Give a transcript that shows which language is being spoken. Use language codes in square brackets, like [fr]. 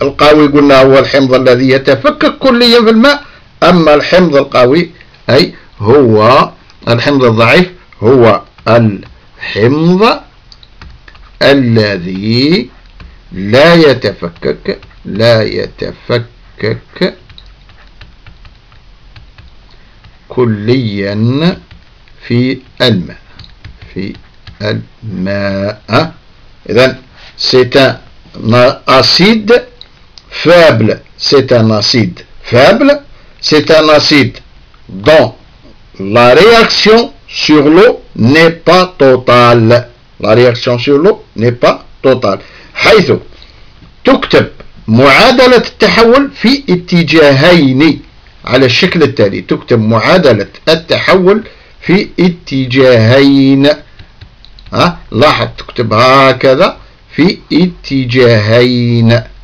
[ar] القوي قلنا هو الحمض الذي يتفكك كليا في الماء، أما الحمض القوي أي هو الحمض الضعيف، هو الحمض الذي لا يتفكك، لا يتفكك كليا في الماء، في الماء. [fr] إذن سيتا ناسيد فابل، c'est un acide faible, c'est un acide dont la réaction sur l'eau n'est pas totale. La réaction sur l'eau n'est pas totale. [ar] حيث تكتب معادلة التحول في اتجاهين على الشكل التالي. تكتب معادلة التحول في اتجاهين. ها لاحظ تكتب هكذا في اتجاهين.